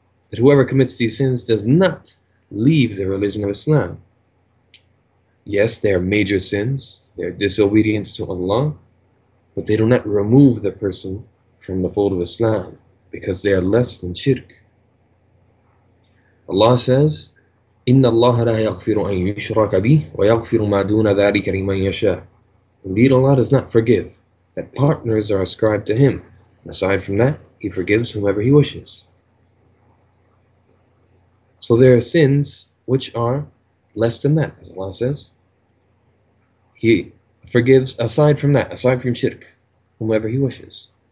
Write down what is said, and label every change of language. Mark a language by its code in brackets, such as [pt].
[en] That whoever commits these sins does not leave the religion of Islam. Yes, they are major sins, they are disobedience to Allah, but they do not remove the person from the fold of Islam, because they are less than shirk. Allah says, [ar] إِنَّ اللَّهَ لَا يَغْفِرُ أَن يُشْرَكَ بِهِ وَيَغْفِرُ مَا دُونَ ذَٰلِكَ لِمَنْ يَشَاءُ. [en] Indeed, Allah does not forgive that partners are ascribed to Him. Aside from that, He forgives whomever He wishes. So there are sins which are less than that, as Allah says. He forgives aside from that, aside from shirk, whomever He wishes.